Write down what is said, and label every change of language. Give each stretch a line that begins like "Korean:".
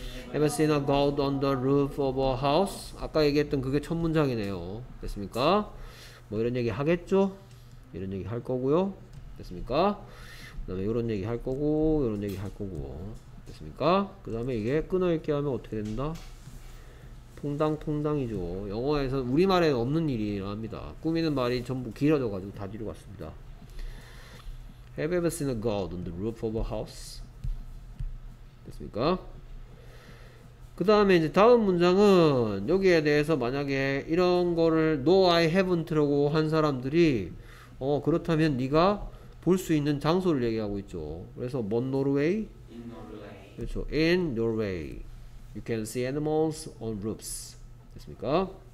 English: Ever seen a goat on the roof of a house?
Korean: 아까 얘기했던 그게 첫 문장이네요. 됐습니까? 뭐 이런 얘기 하겠죠? 이런 얘기 할 거고요. 됐습니까? 그 다음에 이런 얘기 할 거고, 이런 얘기 할 거고. 됐습니까? 그 다음에 이게 끊어 읽기 하면 어떻게 된다? 퐁당퐁당이죠. 영어에서 우리말에 없는 일이라 합니다. 꾸미는 말이 전부 길어져가지고 다 뒤로 갔습니다.
English: Have you ever seen a goat on the roof of a house?
Korean: 됐습니까? 그 다음에 이제 다음 문장은 여기에 대해서 만약에 이런 거를
English: No, I haven't
Korean: 라고 한 사람들이 어 그렇다면 네가 볼 수 있는 장소를 얘기하고 있죠. 그래서 먼 노르웨이?
English: In Norway.
Korean: 그렇죠.
English: In Norway. You can see animals on roofs.
Korean: 됐습니까?